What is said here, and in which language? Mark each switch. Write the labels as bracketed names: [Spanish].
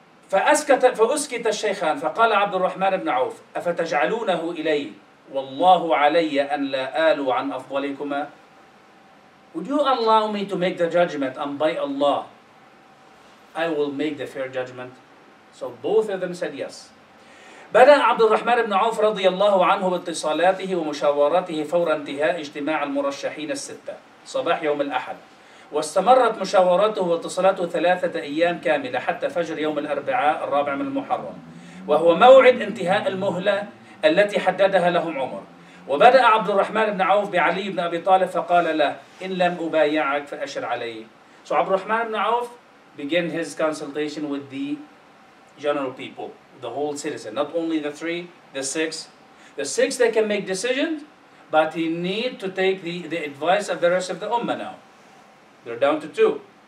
[Arabic] فأسكت الشيخان فقال عبد الرحمن بن عوف أفتجعلونه إلي والله علي أن لا آلوا عن أفضلكما. [English] Would you allow me to make the judgment? And by Allah, I will make the fair judgment. So both of them said yes. [Arabic] بدأ عبد الرحمن بن عوف رضي الله عنه باتصالاته ومشاوراته فور انتهاء اجتماع المرشحين الستة صباح يوم الأحد, واستمرت مشاوراته واتصالاته ثلاثة أيام كاملة حتى فجر يوم الأربعاء الرابع من المحرم, وهو موعد انتهاء المهلة التي حددها لهم عمر. وبدأ عبد الرحمن بن عوف بعلي بن أبي طالب فقال له, إن لم أبايعك فأشر علي. [English] So عبد الرحمن بن عوف began his consultation with the general people, the whole citizen, not only the three, the six. The six, they can make decisions, but he need to take the advice of the rest of the ummah now. They're down to two.